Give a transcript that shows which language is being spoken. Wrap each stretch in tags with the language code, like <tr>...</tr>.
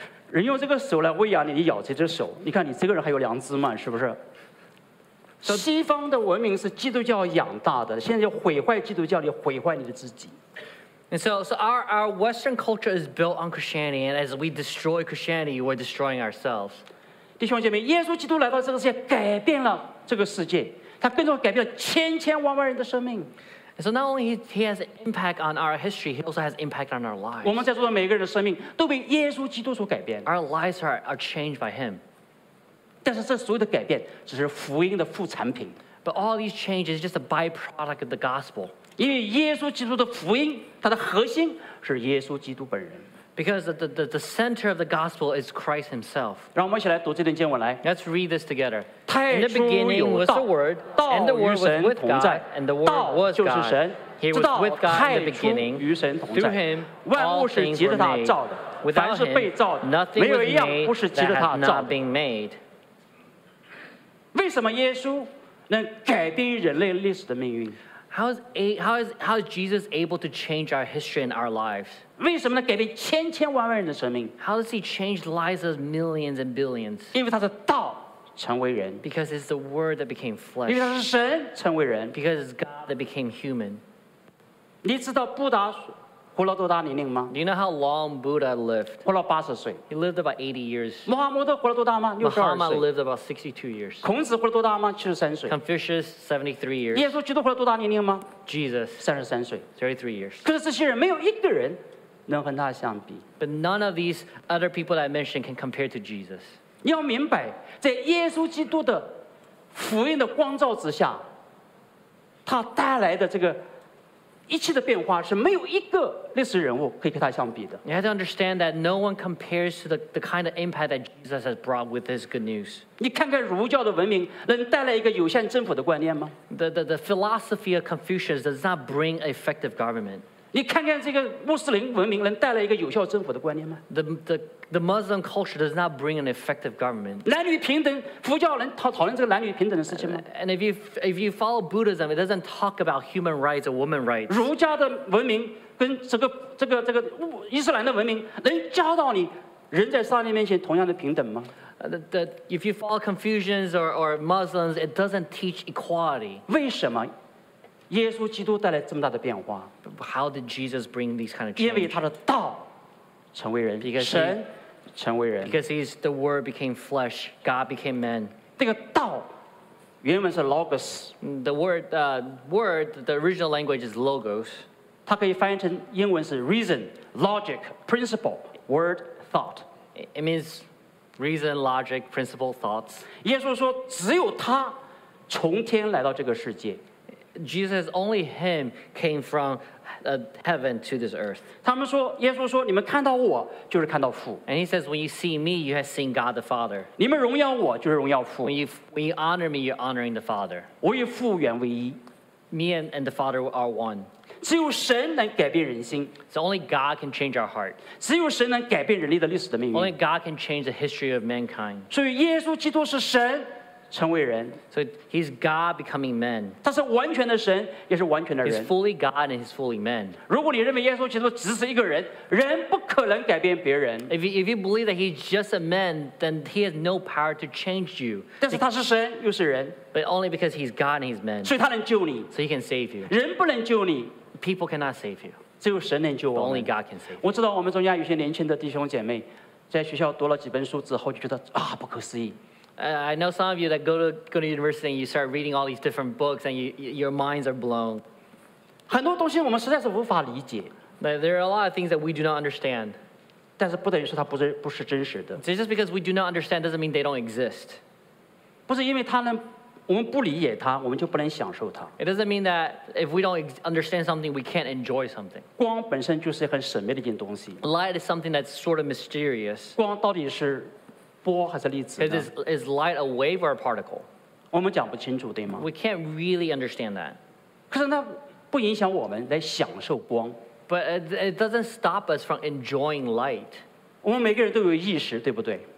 <zh>人用这个手来喂养你，你咬这只手，你看你这个人还有良知吗？是不是？ So, 西方的文明是基督教养大的，现在就毁坏基督教，你毁坏你的自己。</zh> <en>And so our Western culture is built on Christianity, and as we destroy Christianity, we're destroying ourselves.</en> <zh>弟兄姐妹，耶稣基督来到这个世界，改变了这个世界，他更多改变了千千万万人的生命。</zh> <en>And so not only he has an impact on our history, he also has an impact on our lives.</en> <zh>我们在座的每个人的生命都被耶稣基督所改变。</zh> <en>Our lives are changed by him.</en> <zh>但是这所有的改变只是福音的副产品。</zh> <en>But all these changes are just a byproduct of the gospel.</en> <zh>因为耶稣基督的福音，它的核心是耶稣基督本人。</zh> <en>Because the center of the gospel is Christ Himself.</en> <zh>让我们一起来读这段经文来。</zh> <en>Let's read this together.</en> <zh>太初有道。</zh> <en>In the beginning was the Word, and the Word was with God, and the Word was God.</en> <zh>道就是神。</zh> <en>He was with God in the beginning.</en> <zh>与神同在。</zh> <en>Through Him, all things were made. Without Him, nothing was made that had not been made.</en> <zh>为什么耶稣能改变人类历史的命运？</zh> <en>How is Jesus able to change our history and our lives?</en> <zh>为什么能改变千千万万人的生命？</zh> <en>How does he change lives of millions and billions?</en> <zh>因为他是道成为人。</zh> <en>Because it's the word that became flesh.</en> <zh>因为他是神成为人。</zh> <en>Because it's God that became human.</en> <zh>你知道布达活了多大年龄吗？</zh> <en>Do you know how long Buddha lived?</en> <zh>活了80岁。</zh> <en>He lived about 80 years.</en> <zh>Muhammad 活了多大吗？62岁。</zh> <en>Muhammad lived about 62 years.</en> <zh>孔子活了多大吗？73岁。</zh> <en>Confucius 73 years.</en> <zh>耶稣基督活了多大年龄吗？</zh> <en>Jesus</en> <zh>33岁。</zh> <en>33 years.</en> <zh>可是这些人没有一个人能和他相比。</zh> <en>But none of these other people that I mentioned can compare to Jesus.</en> <zh>你要明白，在耶稣基督的福音的光照之下，他带来的这个。一切的变化是没有一个历史人物可以跟他相比的。</zh> <en>You have to understand that no one compares to the kind of impact that Jesus has brought with his good news.</en> <zh>你看看儒教的文明能带来一个有限政府的观念吗？</zh> <en>The philosophy of Confucius does not bring effective government.</en> <zh>你看看这个穆斯林文明能带来一个有效政府的观念吗？</zh> <en>The Muslim culture does not bring an effective government.</en> <zh>男女平等，佛教能讨论这个男女平等的事情吗？</zh> <en>And if you follow Buddhism, it doesn't talk about human rights or women rights.</en> <zh>儒家的文明跟这个伊斯兰的文明能教导你人在上帝面前同样的平等吗？</zh> <en>If you follow Confucians or Muslims, it doesn't teach equality.</en> <zh>为什么耶稣基督带来这么大的变化？</zh> <en>How did Jesus bring these kind of changes?</en> <zh>因为他的道。成为人，神成为人。</zh> <en>Because he's the Word became flesh, God became man.</en> <zh>这个道原文是 logos.</zh> <en>The word, the original language is logos.</en> <zh>它可以翻译成英文是</zh> <en>reason, logic, principle, word, thought. It means reason, logic, principle, thoughts.</en> <zh>耶稣说，只有他从天来到这个世界。</zh> <en>Jesus only him came from heaven to this earth.</en> <zh>他们说，耶稣说，你们看到我，就是看到父。</zh> <en>And he says, when you see me, you have seen God the Father.</en> <zh>你们荣耀我，就是荣耀父。</zh> <en>When you honor me, you're honoring the Father.</en> <zh>我与父原为一。</zh> <en>Me and the Father are one.</en> <zh>只有神能改变人心。</zh> <en>So only God can change our heart.</en> <zh>只有神能改变人类的历史的命运。</zh> <en>Only God can change the history of mankind.</en> <zh>所以耶稣基督是神成为人。</zh> <en>So he's God becoming man.</en> <zh>他是完全的神，也是完全的人。</zh> <en>He's fully God and he's fully man.</en> <zh>如果你认为耶稣基督只是一个人，人不可能改变别人。</zh> <en>If you believe that he's just a man, then he has no power to change you.</en> <zh>但是他是神，又是人。</zh> <en>But only because he's God and he's man.</en> <zh>所以他能救你。</zh> <en>So he can save you.</en> <zh>人不能救你。</zh> <en>People cannot save you.</en> <zh>只有神能救我们。</zh> <en>Only God can save.</en> <zh>我知道我们中间有些年轻的弟兄姐妹，在学校读了几本书之后，就觉得啊，不可思议。</zh> <en>I know some of you that go to university and you start reading all these different books and your minds are blown.</en> <zh>很多东西我们实在是无法理解。</zh> <en>But there are a lot of things that we do not understand.</en> <zh>但是不等于说它不是真实的。</zh> <en>So just because we do not understand doesn't mean they don't exist.</en> <zh>不是因为它能。我们不理解它，我们就不能享受它。</zh> <en>It doesn't mean that if we don't understand something, we can't enjoy something.</en> <zh>光本身就是很神秘的一件东西。</zh> <en>Light is something that's sort of mysterious.</en> <zh>光到底是波还是粒子呢？</zh> <en>Is light a wave or a particle?</en> <zh>我们讲不清楚，对吗？</zh> <en>We can't really understand that.</en> <zh>可是那不影响我们来享受光。</zh> <en>But it doesn't stop us from enjoying light.</en> <zh>我们每个人都有意识，对不对？</zh>